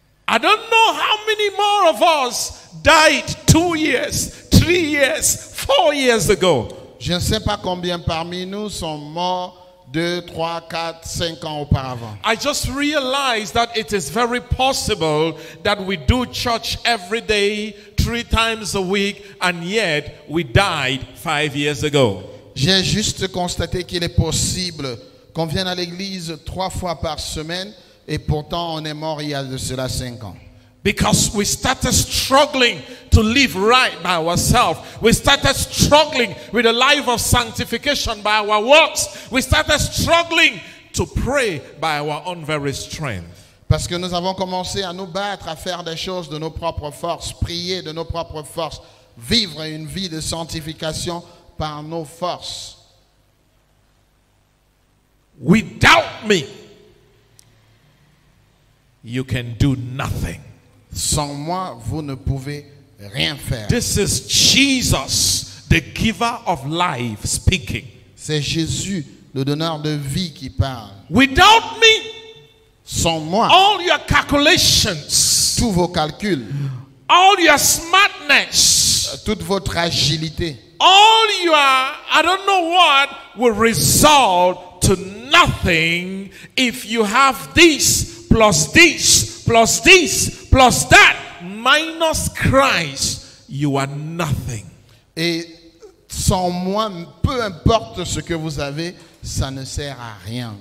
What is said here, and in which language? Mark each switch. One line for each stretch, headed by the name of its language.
English: I don't know how many more of us died 2 years, 3 years, 4 years ago.
French: Je ne sais pas combien parmi nous sont morts 2, 3, 4, 5 ans auparavant.
English: I just realized that it is very possible that we do church every day, 3 times a week, and yet we died 5 years ago.
French: J'ai juste constaté qu'il est possible qu'on vienne à l'église 3 fois par semaine et pourtant on est mort il y a de cela 5 ans.
English: Because we started struggling to live right by ourselves. We started struggling with a life of sanctification by our works. We started struggling to pray by our own very strength.
French: Parce que nous avons commencé à nous battre, à faire des choses de nos propres forces, prier de nos propres forces, vivre une vie de sanctification par nos forces.
English: Without me, you can do nothing.
French: Sans moi, vous ne pouvez rien faire.
English: This is Jesus, the giver of life, speaking.
French: C'est Jésus, le donneur de vie, qui parle.
English: Without me,
French: sans moi,
English: all your calculations,
French: tous vos calculs,
English: all your smartness,
French: toute votre agilité,
English: all your, I don't know what, will result to nothing if you have this plus this. Plus this, plus that, minus Christ, you are nothing.
French: Et sans moi, peu importe ce que vous avez, ça ne sert à rien.